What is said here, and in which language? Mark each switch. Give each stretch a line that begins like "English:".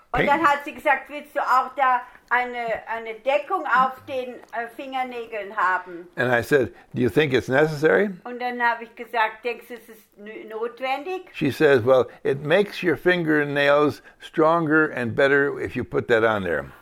German: Und dann hat sie gesagt, willst du auch da eine Deckung auf den Fingernägeln haben?
English: And I said, do you think it's necessary?
German: Und dann habe ich gesagt, denkst du, es ist notwendig?
English: She says, well, it makes your fingernails stronger and better if you put that on there.